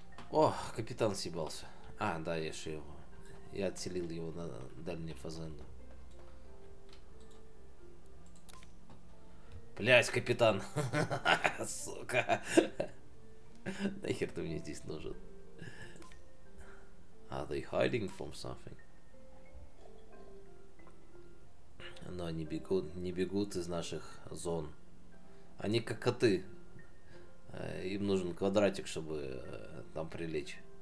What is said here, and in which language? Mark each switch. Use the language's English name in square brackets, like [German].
[Russian] О, капитан съебался. А, да, я же его. Я отселил его на дальнюю фазенду. Блять, капитан. Сука. Нахер ты мне здесь нужен? [English] Are they hiding from something? [Russian] Но они бегут, не бегут из наших зон. Они как коты. Им нужен квадратик, чтобы там прилечь.